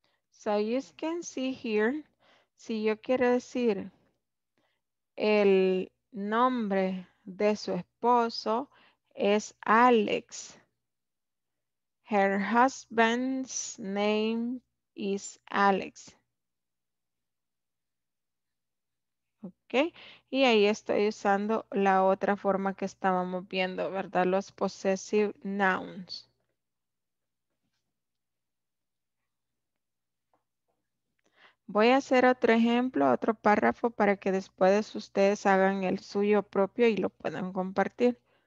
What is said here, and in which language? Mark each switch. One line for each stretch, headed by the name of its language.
English: So you can see here,
Spanish: si yo quiero decir el nombre de su esposo es Alex.
English: Her husband's name is Alex. Okay.
Spanish: Y ahí estoy usando la otra forma que estábamos viendo, ¿verdad? Los possessive nouns. Voy a hacer otro ejemplo, otro párrafo para que después ustedes hagan el suyo propio y lo puedan compartir.